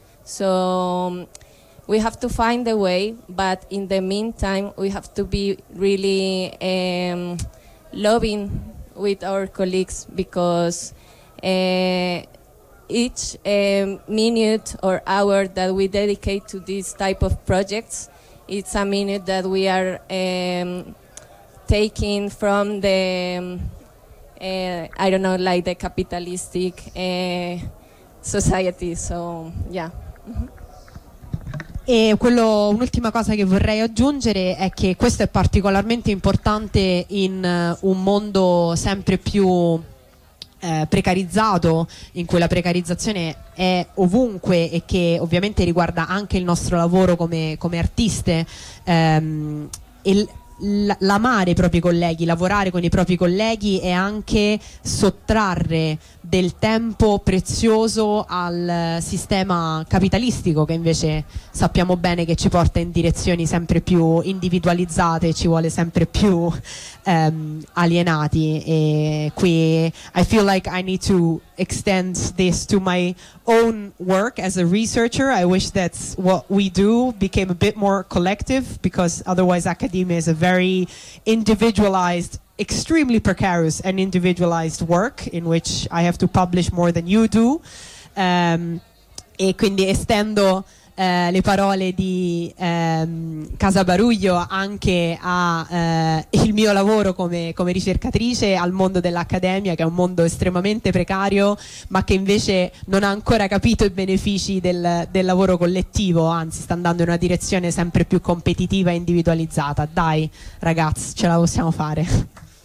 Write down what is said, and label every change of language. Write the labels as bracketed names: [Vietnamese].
[English] So we have to find a way, but in the meantime, we have to be really loving with our colleagues, because each minute or hour that we dedicate to this type of projects, it's a minute that we are taking from the, I don't know, like the capitalistic society. So, yeah. [Italian] E quello, un'ultima cosa che vorrei aggiungere è che questo è particolarmente importante in un mondo sempre più precarizzato, in cui la precarizzazione è ovunque e che ovviamente riguarda anche il nostro lavoro come artiste, e l'amare i propri colleghi, lavorare con i propri colleghi è anche sottrarre del tempo prezioso al sistema capitalistico, che invece sappiamo bene che ci porta in direzioni sempre più individualizzate e ci vuole sempre più alienati. E qui [English] I feel like I need to extend this to my own work as a researcher. I wish that what we do became a bit more collective, because otherwise academia is a very individualized, extremely precarious and individualized work in which I have to publish more than you do. [Italian] E quindi estendo le parole di Casa Baruglio anche a il mio lavoro come ricercatrice, al mondo dell'accademia, che è un mondo estremamente precario, ma che invece non ha ancora capito i benefici del lavoro collettivo, anzi sta andando in una direzione sempre più competitiva e individualizzata. Dai ragazzi, ce la possiamo fare.